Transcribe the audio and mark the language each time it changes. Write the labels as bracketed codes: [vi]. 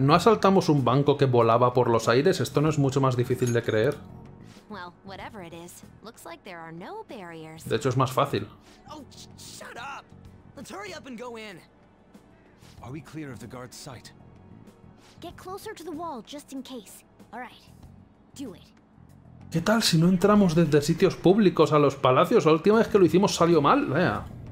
[es] ¿No asaltamos un banco que volaba por los aires? Esto no es mucho más difícil de creer. [en] Well, whatever it is, looks like there are no barriers. [es] De hecho, es más fácil. [en] Oh, shut up! Let's hurry up and go in. Are we clear of the guard's sight? Get closer to the wall, just in case. All right, do it. [es] ¿Qué tal si no entramos desde sitios públicos a los palacios? La última vez que lo hicimos salió mal, vea.